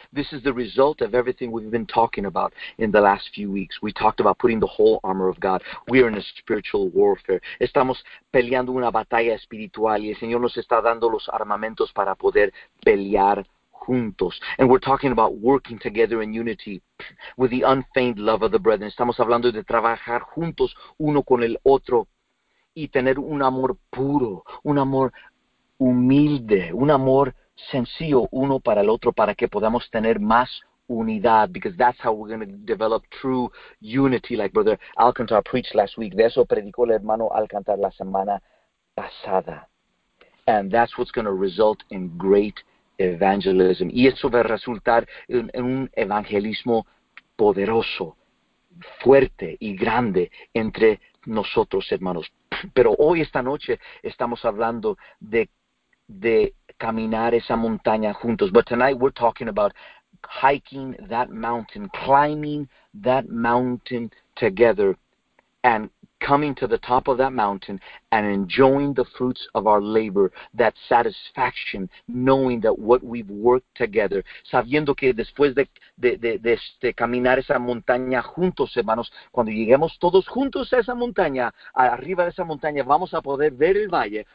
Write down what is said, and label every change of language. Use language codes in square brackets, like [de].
[en] This is the result of everything we've been talking about in the last few weeks. We talked about putting the whole armor of God. We are in a spiritual warfare. [es] Estamos peleando una batalla espiritual y el Señor nos está dando los armamentos para poder pelear juntos. [en] And we're talking about working together in unity with the unfeigned love of the brethren. [es] Estamos hablando de trabajar juntos uno con el otro y tener un amor puro, un amor humilde, un amor sencillo uno para el otro para que podamos tener más unidad, [en] because that's how we're going to develop true unity, like Brother Alcantar preached last week. [es] De eso predicó el hermano Alcantar la semana pasada. [en] And that's what's going to result in great evangelism. [es] Y eso va a resultar en un evangelismo poderoso, fuerte y grande entre nosotros, hermanos. Pero hoy, esta noche, estamos hablando de caminar esa montaña juntos. [en] But tonight we're talking about hiking that mountain, climbing that mountain together, and coming to the top of that mountain and enjoying the fruits of our labor, that satisfaction, knowing that what we've worked together, [es] sabiendo que después de caminar esa montaña juntos, hermanos, cuando lleguemos todos juntos a esa montaña, arriba de esa montaña, vamos a poder ver el valle.